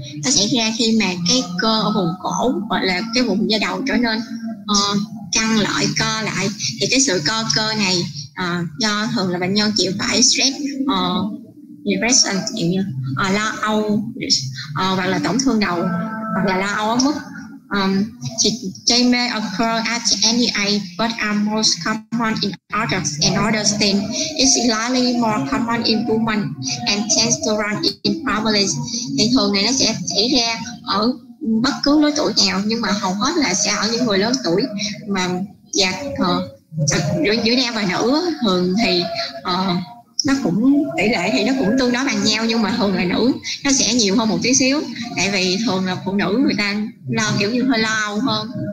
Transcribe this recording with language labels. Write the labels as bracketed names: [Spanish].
[Vietnamese] Nó xảy ra khi mà cái cơ ở vùng cổ hoặc là cái vùng da đầu trở nên căng lại, co lại. Thì cái sự co cơ này do thường là bệnh nhân chịu phải stress, depression, lo âu hoặc là tổn thương đầu hoặc là lo âu ở mức. [English] They may occur at any age, but are most common in adults and older teens. It's slightly more common in women and tends to run in families. [Vietnamese] Thì thường này nó sẽ xảy ra ở bất cứ lứa tuổi nào, nhưng mà hầu hết là sẽ ở những người lớn tuổi mà giữa nam và nữ thường thì nó cũng tỷ lệ thì nó cũng tương đối bằng nhau, nhưng mà thường là nữ nó sẽ nhiều hơn một tí xíu, tại vì thường là phụ nữ người ta lo kiểu như hơi lâu hơn.